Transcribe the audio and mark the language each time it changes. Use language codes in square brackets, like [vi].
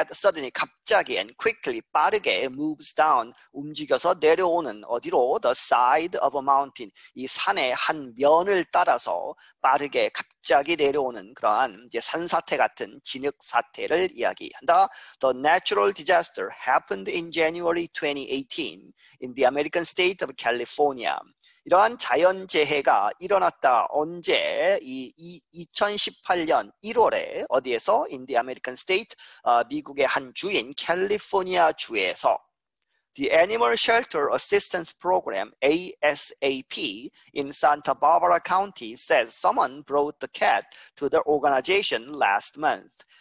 [en] That suddenly, [ko] 갑자기 [en] and quickly, [ko] 빠르게 [en] moves down, [ko] 움직여서 내려오는 어디로? [en] The side of a mountain. [ko] 이 산의 한 면을 따라서 빠르게 갑자기 내려오는 그러한 이제 산사태 같은 진흙 사태를 이야기한다. [en] The natural disaster happened in January 2018 in the American state of California. [ko] 이러한 자연재해가 일어났다. 언제? 2018년 1월에 어디에서? [en] In the American state, [ko] 미국의 한 주인 캘리포니아 주에서 [en] The Animal Shelter Assistance Program, ASAP, in Santa Barbara County says someone brought the cat to the organization last month.